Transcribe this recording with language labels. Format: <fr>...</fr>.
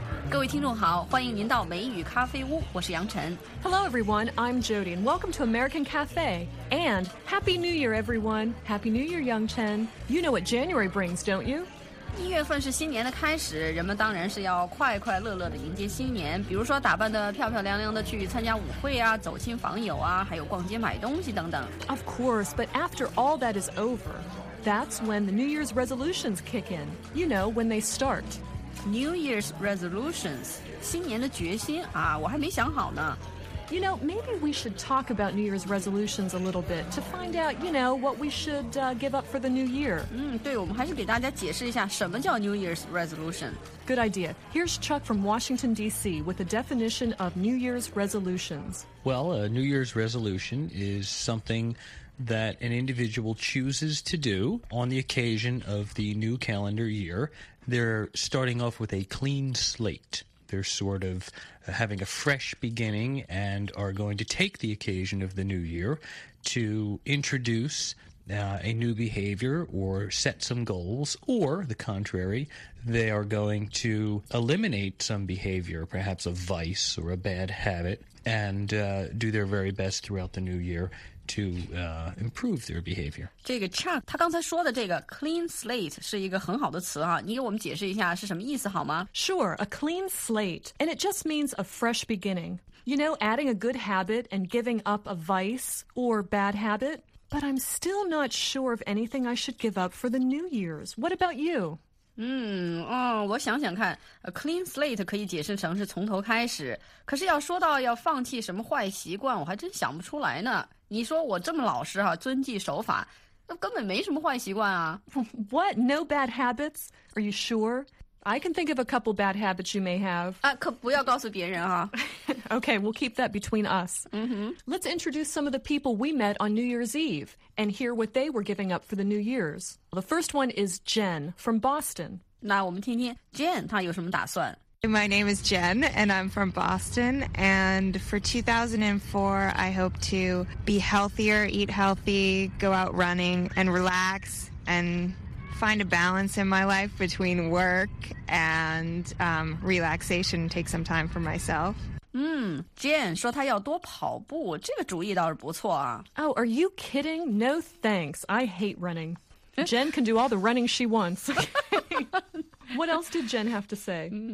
<zh>各位听众好，欢迎您到美语咖啡屋，我是杨晨。</zh> <en>Hello everyone, I'm Jody, and welcome to American Cafe. And Happy New Year, everyone. Happy New Year, Yang Chen. You know what January brings, don't you?</en> <zh>一月份是新年的开始，人们当然是要快快乐乐地迎接新年，比如说打扮得漂漂亮亮地去参加舞会啊，走亲访友啊，还有逛街买东西等等。</zh> <en>Of course, but after all that is over, that's when the New Year's resolutions kick in. You know, when they start.</en> <zh>New Year's resolutions, 新年的决心啊，我还没想好呢。</zh> <en>You know, maybe we should talk about New Year's resolutions a little bit to find out, you know, what we should, give up for the new year.</en> <zh>对，我们还是给大家解释一下什么叫 New Year's resolution.</zh> <en>Good idea. Here's Chuck from Washington, D.C. with a definition of New Year's resolutions. Well, a New Year's resolution is something that an individual chooses to do on the occasion of the new calendar year. They're starting off with a clean slate. They're sort of having a fresh beginning and are going to take the occasion of the new year to introduce, a new behavior or set some goals, or the contrary, they are going to eliminate some behavior, perhaps a vice or a bad habit, and, do their very best throughout the new year to, improve their behavior.</en> <zh>这个 Chuck, 他刚才说的这个 clean slate 是一个很好的词啊，你给我们解释一下是什么意思好吗？</zh> <en>Sure, a clean slate, and it just means a fresh beginning. You know, adding a good habit and giving up a vice or bad habit, but I'm still not sure of anything I should give up for the New Year's. What about you?</en> <zh>我想想看 ，a clean slate 可以解释成是从头开始。可是要说到要放弃什么坏习惯，我还真想不出来呢。你说我这么老实哈、啊，遵纪守法，那根本没什么坏习惯啊。</zh> <en>What? No bad habits? Are you sure? I can think of a couple bad habits you may have.</en> <zh>啊，可不要告诉别人啊。</zh> <en>Okay, we'll keep that between us. Mm-hmm. Let's introduce some of the people we met on New Year's Eve and hear what they were giving up for the New Year's. The first one is Jen from Boston.</en> <zh>那我们听听 Jen 她有什么打算。</zh> <en>My name is Jen, and I'm from Boston. And for 2004, I hope to be healthier, eat healthy, go out running, and relax, and find a balance in my life between work and, relaxation, take some time for myself.</en> <zh>Jen 说她要多跑步，这个主意倒是不错啊。</zh> <en>Oh, are you kidding? No thanks. I hate running. Jen can do all the running she wants. What else did Jen have to say?</en>